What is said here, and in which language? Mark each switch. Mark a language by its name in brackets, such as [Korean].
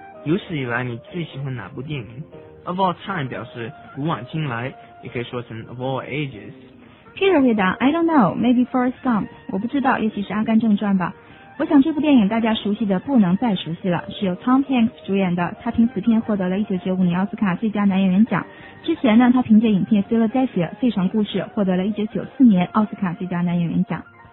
[Chinese] 有史以来你最喜欢哪部电影？ [English] Of all time [Chinese] 表示古往今来，也可以说成 [English] of all ages. Peter [Chinese] 回答 [English] ，I don't know, maybe Forrest Gump. [Chinese] 我不知道，也许是《阿甘正传》吧。我想这部电影大家熟悉的不能再熟悉了，是由 Tom Hanks 主演的。他凭此片获得了1995年奥斯卡最佳男演员奖。之前呢，他凭借影片《Philadelphia》费城故事获得了1994年奥斯卡最佳男演员奖。